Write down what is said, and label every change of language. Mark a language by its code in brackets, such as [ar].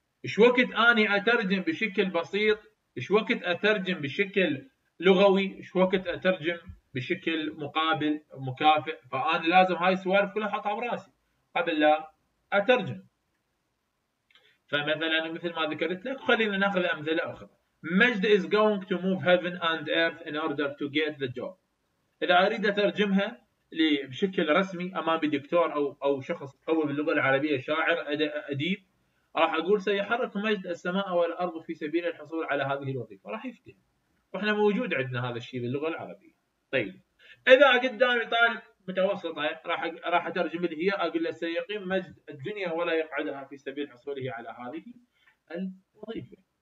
[ar] ايش وقت اني اترجم بشكل بسيط، ايش وقت اترجم بشكل لغوي، ايش وقت اترجم بشكل مقابل مكافئ. فأنا لازم هاي السوالف كلها أحطها براسي قبل لا أترجم. فمثلا مثل ما ذكرت لك، خلينا نأخذ أمثلة أخرى. [en] مجد is going to move heaven and earth in order to get the job. [ar] إذا أريد أترجمها بشكل رسمي أمام دكتور أو شخص قوي باللغة العربية، شاعر أديب، راح أقول سيحرك مجد السماء والأرض في سبيل الحصول على هذه الوظيفة، راح يفتهم. وإحنا موجود عندنا هذا الشيء باللغة العربية. طيب اذا قدامي طالب متوسطه، راح اترجم له هي، اقول له سيقيم مجد الدنيا ولا يقعدها في سبيل حصوله على هذه الوظيفه.